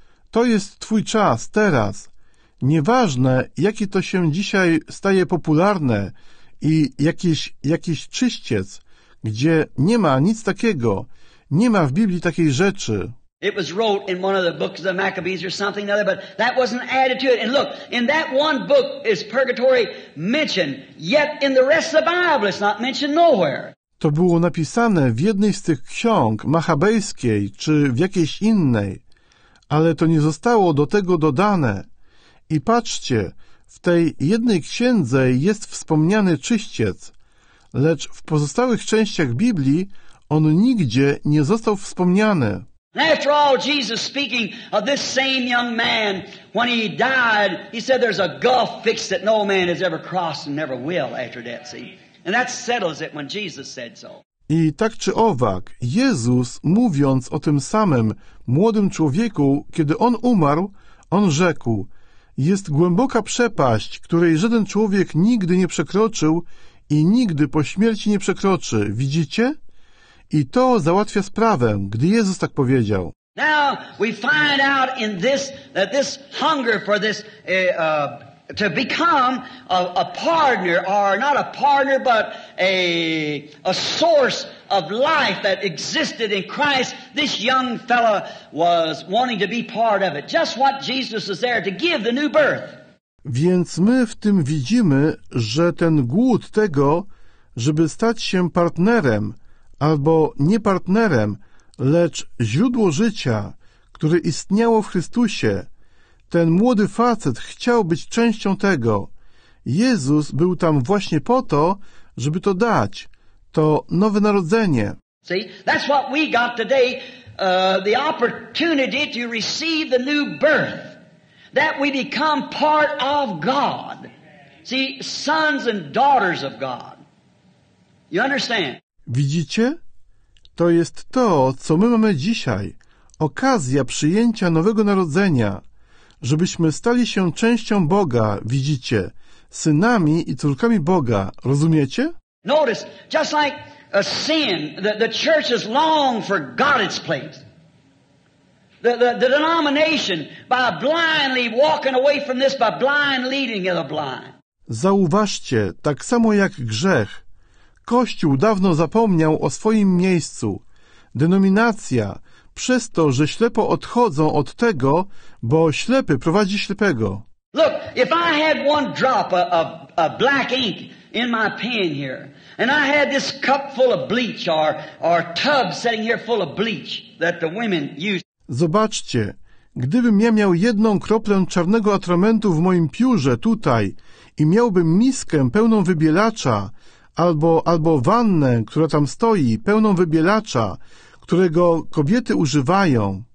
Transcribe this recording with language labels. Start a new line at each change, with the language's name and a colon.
Polish: To jest twój czas teraz. Nieważne, jakie to się dzisiaj staje popularne i jakiś czyściec, gdzie nie ma nic takiego. Nie ma w Biblii takiej rzeczy.
English: It was wrote in one of the books of the Maccabees or something other, but that wasn't added to it. And look, in that one book is purgatory mentioned, yet in the rest of the Bible it's not mentioned nowhere.
Polish: To było napisane w jednej z tych ksiąg machabejskiej czy w jakiejś innej, ale to nie zostało do tego dodane. I patrzcie, w tej jednej księdze jest wspomniany czyściec, lecz w pozostałych częściach Biblii on nigdzie nie został wspomniany.
English: After all, Jesus speaking of this same young man, when he died, he said there's a gulf fixed that no man has ever crossed and never will after death, see? And that settles it when Jesus said so.
Polish: I tak czy owak, Jezus, mówiąc o tym samym młodym człowieku, kiedy on umarł, on rzekł, jest głęboka przepaść, której żaden człowiek nigdy nie przekroczył i nigdy po śmierci nie przekroczy, widzicie? I to załatwia sprawę, gdy Jezus tak powiedział.
English: Now we find out in this that this hunger for this to become a partner, or not a partner, but a source of life that existed in Christ. This young fellow was wanting to be part of it. Just what Jesus is there to give the new birth.
Polish: Więc my w tym widzimy, że ten głód tego, żeby stać się partnerem, albo nie partnerem, lecz źródło życia, które istniało w Chrystusie. Ten młody facet chciał być częścią tego. Jezus był tam właśnie po to, żeby to dać. To nowe narodzenie.
English: See, that's what we got today, the opportunity to receive the new birth. That we become part of God. See, sons and daughters of God. You understand?
Polish: Widzicie? To jest to, co my mamy dzisiaj. Okazja przyjęcia nowego narodzenia. Żebyśmy stali się częścią Boga, widzicie? Synami i córkami Boga. Rozumiecie?
English: Notice, just like a sin, the church has long forgotten its place. The denomination, by blindly walking away from this, by blind leading the blind.
Polish: Zauważcie, tak samo jak grzech. Kościół dawno zapomniał o swoim miejscu. Denominacja, przez to, że ślepo odchodzą od tego, bo ślepy prowadzi ślepego.
English: Look, if I had one drop of black ink in my pen here, and I had this cup full of bleach, or tub sitting here full of bleach that the women use.
Polish: Zobaczcie, gdybym ja miał jedną kroplę czarnego atramentu w moim piórze tutaj i miałbym miskę pełną wybielacza, albo wannę, która tam stoi, pełną wybielacza, którego kobiety używają.